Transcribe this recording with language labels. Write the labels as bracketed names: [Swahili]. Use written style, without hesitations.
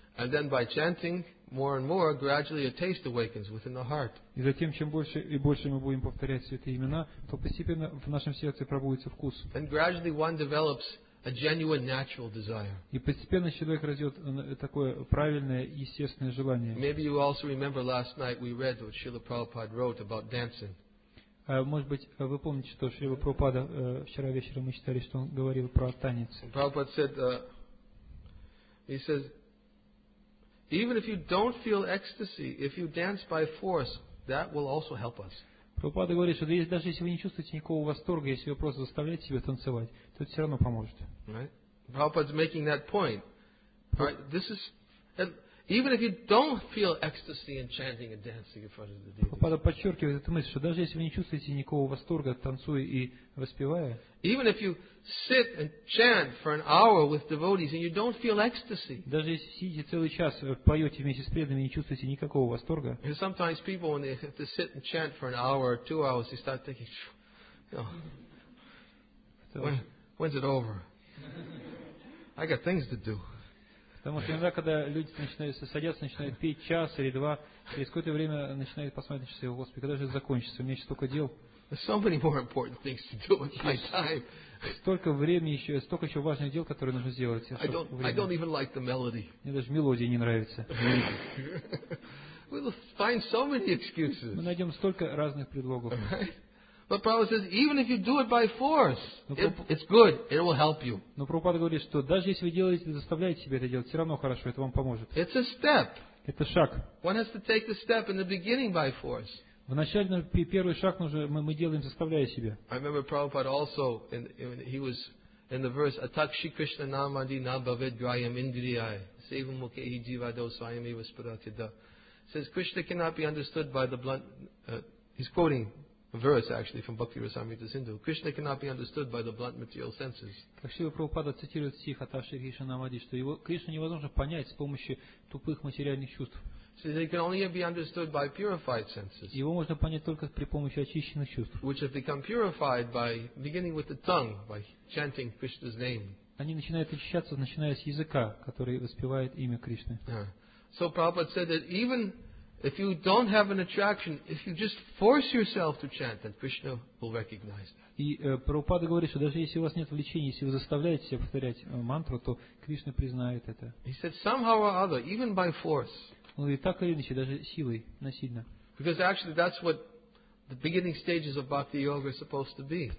[English] And then by chanting more and more, gradually a taste awakens within the heart. [Russian] И затем, чем больше и больше мы будем повторять святые имена, то постепенно в нашем сердце пробудится вкус. [English] And gradually one develops a genuine natural desire. [Russian] И постепенно человек развит такое правильное естественное желание. [English] Maybe you also remember last night we read what Srila Prabhupada wrote about dancing. [Russian] Может быть, вы помните, что Шрила Прабхупада вчера вечером мы читали, что он говорил про танец. [English] Prabhupada said, he says, even if you don't feel ecstasy, if you dance by force, that will also help us. [Russian] Прабхупада говорит, что даже если вы не чувствуете никакого восторга, если вы просто заставляете себя танцевать, то это все равно поможет. [English] Right? Prabhupada's making that point. Right? This is... Even if you don't feel ecstasy in chanting and dancing in front of the deity. [Russian] Попада подчеркивает эту мысль, что даже если вы не чувствуете никакого восторга, танцуя и воспевая. [English] Even if you sit and chant for an hour with devotees and you don't feel ecstasy. [Russian] Даже если сидите целый час, поете вместе с преданными и не чувствуете никакого восторга. [English] And sometimes people, when they have to sit and chant for an hour or two hours, they start thinking, you know, when's it over? I got things to do. [Russian] Потому что иногда, когда люди начинают петь час или два, через какое-то время начинают посмотреть на часы, Господи, когда же это закончится? У меня еще столько дел. [English] So many more important things to do with my time. [Russian] Столько времени еще, столько еще важных дел, которые нужно сделать. [English] I don't even like the melody. [Russian] Мне даже мелодия не нравится. [English] We'll find so many excuses. [Russian] Мы найдем столько разных предлогов. [English] But Prabhupada says, even if you do it by force, it's good. It will help you. [Russian] Но Прабхупада говорит, что даже если вы делаете, заставляете себя это делать, все равно хорошо, это вам поможет. [English] It's a step. [Russian] это шаг. [English] One has to take the step in the beginning by force. [Russian] Вначале первый шаг нужно мы делаем, заставляя себя. [English] I remember Prabhupada also in he was in the verse [Sanskrit] Atakshi Krishna Namadi Nabhavid Grayam Indriyai Sevam Mukhehi Jivado Swayami Vasparatida. [English] Says Krishna cannot be understood by the blunt. He's quoting a verse actually from Bhakti Rasamrita Sindhu. Krishna cannot be understood by the blunt material senses. [Russian] Как Шрила Прабхупада цитирует стих Атакши Кришна Намади, что его Кришна невозможно понять с помощью тупых материальных чувств. [English] So they can only be understood by purified senses. [Russian] Его можно понять только при помощи очищенных чувств. [English] Which have become purified by beginning with the tongue, by chanting Krishna's name. [Russian] Они начинают очищаться, начиная с языка, который воспевает имя Кришны. [English] So Prabhupada said that even if you don't have an attraction, if you just force yourself to chant, then Krishna will recognize that. [Russian] И Прабхупада говорит, что даже если у вас нет влечения, если вы заставляете себя повторять мантру, то Кришна признает это. [English] He said somehow or other, even by force. [Russian] Он говорит, так или иначе, даже силой, насильно. [English] Because actually that's what the beginning stages of bhakti yoga are supposed to be.